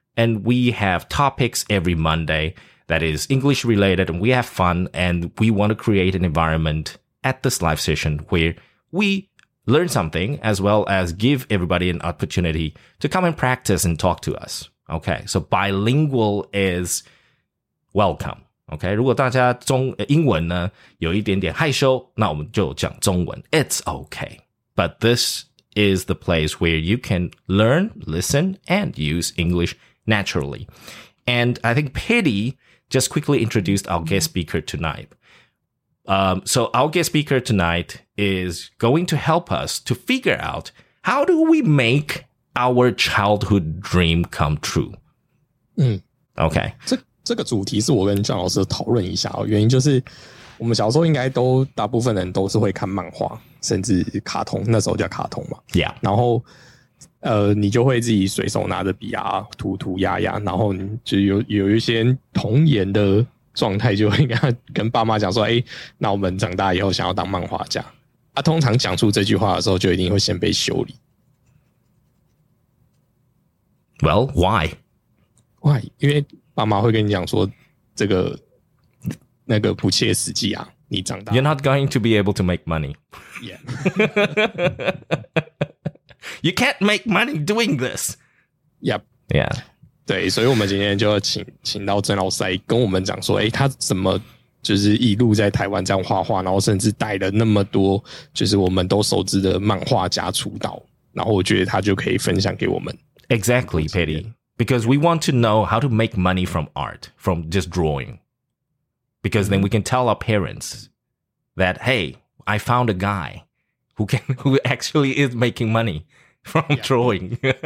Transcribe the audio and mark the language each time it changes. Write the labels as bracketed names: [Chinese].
[English] And we have topics every Monday that is English related, and we have fun, and we want to create an environment at this live session where we learn something as well as give everybody an opportunity to come and practice and talk to us. Okay, so bilingual is welcome. [Chinese] Okay, 如果大家英文呢有一点点害羞，那我们就讲中文。 [English] It's okay. But this is the place where you can learn, listen, and use English. Naturally. And I think Petty just quickly introduced our guest speaker tonight. So our guest speaker tonight is going to help us to figure out how do we make our childhood dream come true? Okay. [Chinese] 这个主题是我跟John老师讨论一下哦，原因就是我们小时候应该都大部分人都是会看漫画甚至卡通，那时候叫卡通嘛。 [English] Yeah. [Chinese] 然后你就会自己随手拿着笔啊，涂涂压压，然后就有一些童颜的状态，就会跟爸妈讲说：“哎，那我们长大以后想要当漫画家。” 啊，通常讲出这句话的时候，就一定会先被修理。 [English] Well, why? Why? [Chinese] 因为爸妈会跟你讲说：“这个那个不切实际啊，你长大 [English] ，You're not going to be able to make money.” Yeah. You can't make money doing this. Yep. Yeah. [Chinese] 对，所以我们今天就请到曾老师来跟我们讲说，他怎么就是一路在台湾这样画画，然后甚至带了那么多就是我们都熟知的漫画家出道，然后我觉得他就可以分享给我们。 [English] Exactly, Petty. Because we want to know how to make money from art, from just drawing. Because then we can tell our parents that, hey, I found a guy. Who actually is making money from drawing.